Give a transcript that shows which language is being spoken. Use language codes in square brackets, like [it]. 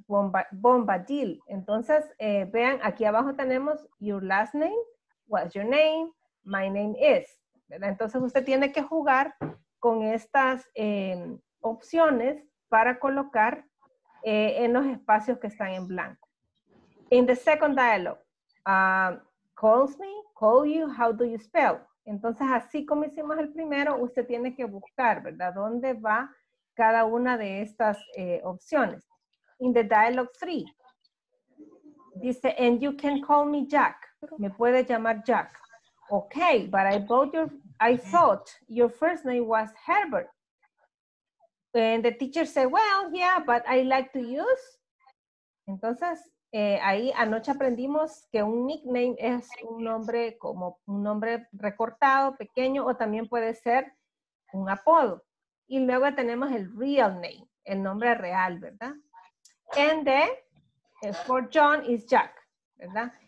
[en] Bombadil. [es] Entonces, vean, aquí abajo tenemos [en] your last name, what's your name, my name is, [es] ¿verdad? Entonces, usted tiene que jugar con estas opciones para colocar en los espacios que están en blanco. [en] In the second dialogue, calls me, call you, how do you spell? [es] Entonces, así como hicimos el primero, usted tiene que buscar, ¿verdad? ¿Dónde va cada una de estas opciones? [en] In the dialogue three, [es] dice, [en] and you can call me Jack. [es] Me puede llamar Jack. [en] Okay, but I thought your first name was Herbert. And the teacher said, well, yeah, but I like to use. [es] Entonces, ahí anoche aprendimos que un nickname es un nombre como un nombre recortado, pequeño, o también puede ser un apodo. Y luego tenemos el real name, el nombre real, ¿verdad? [en] And then, for John is Jack, [es] ¿verdad?